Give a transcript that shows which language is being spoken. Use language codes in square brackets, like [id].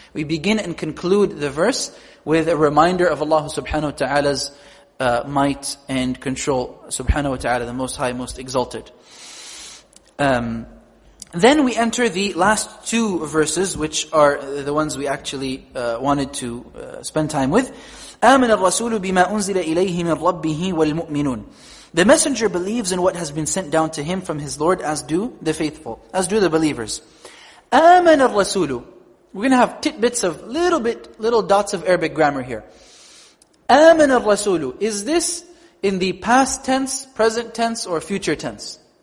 [en] We begin and conclude the verse with a reminder of Allah subhanahu wa ta'ala's might and control. Subhanahu wa ta'ala, the Most High, Most Exalted. Then we enter the last two verses, which are the ones we actually wanted to spend time with. [ar] آمن الرسول بما أنزل إليه من ربه والمؤمنون. [en] The messenger believes in what has been sent down to him from his Lord, as do the faithful, as do the believers. [ar] آمن الرسول. [en] We're going to have tidbits of little dots of Arabic grammar here. [ar] آمن الرسول. [en] Is this in the past tense, present tense, or future tense?